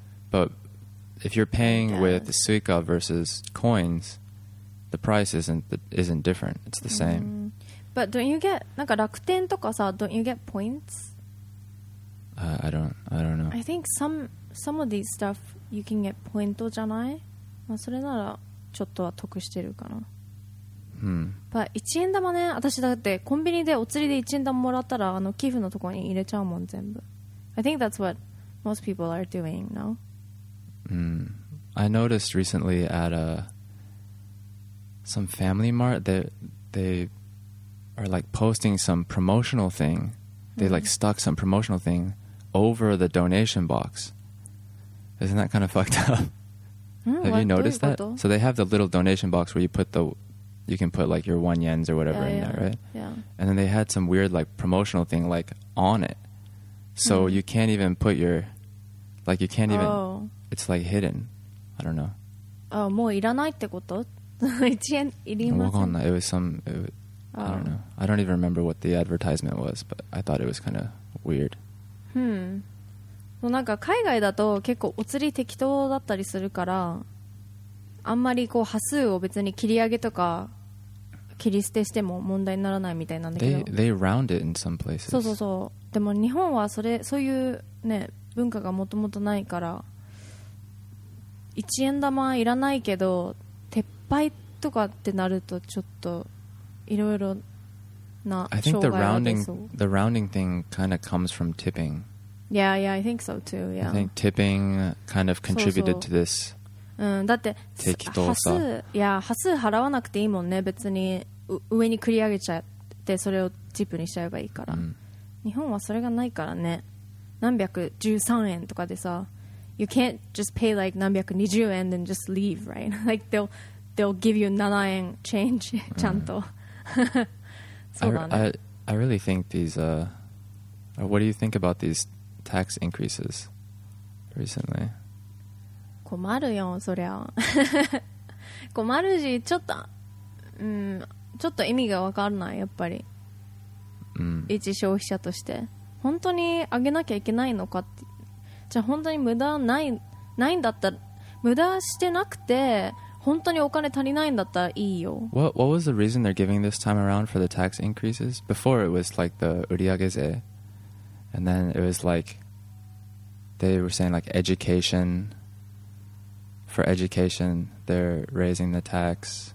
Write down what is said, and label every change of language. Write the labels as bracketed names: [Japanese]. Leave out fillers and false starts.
[English] But if you're paying with the Suica versus coins, the price isn't different. It's the same. But don't you get, [Japanese] なんか楽天とかさ, [English] don't you get points? I don't know. I think some of these stuff you can get points, [Japanese] じゃない？まあそれならちょっとは得してるかな。まあ1円玉ね、私だってコンビニでお釣りで1円玉もらったらあの寄付のところに入れちゃうもん全部。 [English] I think that's what most people are doing now. I noticed recently at a some family mart that they are like posting some promotional thing. They like stuck some promotional thing over the donation box. Isn't that kind of fucked up? Have you noticed that? So they have the little donation box where you put the, you can put like your 1 yens or whatever in there, right? Yeah. And then they had some weird like promotional thing like on it. So you can't even put your, like you can't even, it's like hidden. I don't know. [Japanese] Oh, もういらないってこと？ 1円いりません。わかんない。 [English] I don't know. I don't even remember what the advertisement was, but I thought it was kind of weird. [Japanese] もうなんか海外だと結構お釣り適当だったりするからあんまりこう端数を別に切り上げとか切り捨てしても問題にならないみたいなんだけど [English] they round it in some places. [Japanese] そうそうそう。でも日本はそれそういうね文化がもともとないから1円玉はいらないけど撤廃とかってなるとちょっといろいろな障害が出そう。 [English] I think the rounding thing kind of comes from tipping Yeah, yeah, I think so too, yeah. I think tipping kind of contributed to this. [Japanese] だって、適当さ。端数払わなくていいもんね。別に上に繰り上げちゃって、それをチップにしちゃえばいいから。日本はそれがないからね。何百十三円とかでさ、 [English] You can't just pay like 何百二十円 then just leave, right? Like they'll give you 7 yen change, [Japanese] ちゃんと。 [English] I really think these, what do you think about these? Tax increases recently. [Japanese] 困るよ、そりゃ。困るし、ちょっと、ちょっと意味が分からない、やっぱり。一消費者として。本当に上げなきゃいけないのかって。じゃあ本当に無駄ないんだったら、無駄してなくて、本当にお金足りないんだったらいいよ。 [English] What was the reason they're giving this time around for the tax increases? Before it was like the 売上税。And then it was like, they were saying like education, for education, they're raising the tax.